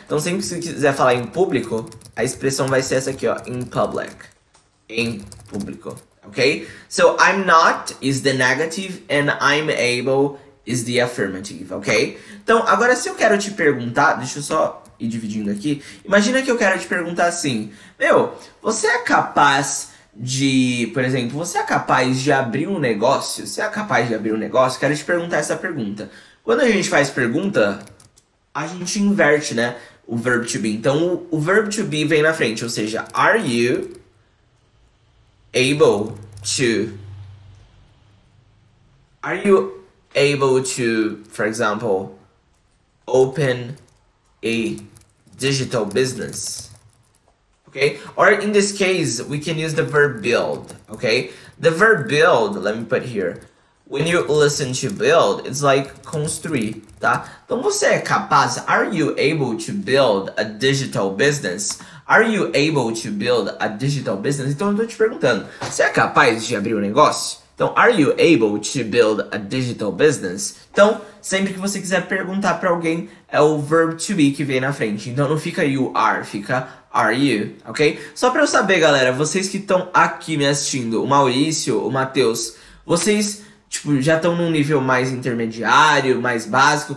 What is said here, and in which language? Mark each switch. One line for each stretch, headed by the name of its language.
Portuguese: Então, sempre que você quiser falar em público, a expressão vai ser essa aqui, ó,
English: in public.
Portuguese: Em público, ok?
English: So, I'm not is the negative and I'm able is the affirmative, ok?
Portuguese: Então, agora se eu quero te perguntar, deixa eu só ir dividindo aqui. Imagina que eu quero te perguntar assim: meu, você é capaz de, por exemplo, você é capaz de abrir um negócio? Você é capaz de abrir um negócio? Quero te perguntar essa pergunta. Quando a gente faz pergunta, a gente inverte, né, o verbo to be. Então, o verbo to be vem na frente, ou seja, are you able to?
English: Are you able to, for example, open a digital business? Okay? Or in this case, we can use the verb build, okay? The verb build, let me put here. When you listen to build, it's like construir, tá?
Portuguese: Então você é capaz?
English: Are you able to build a digital business? Are you able to build a digital business?
Portuguese: Então eu tô te perguntando, você é capaz de abrir um negócio? Então,
English: are you able to build a digital business?
Portuguese: Então, sempre que você quiser perguntar para alguém, é o verb to be que vem na frente. Então não fica you are, fica are you, ok? Só para eu saber, galera, vocês que estão aqui me assistindo, o Maurício, o Matheus, vocês tipo, já estão num nível mais intermediário, mais básico?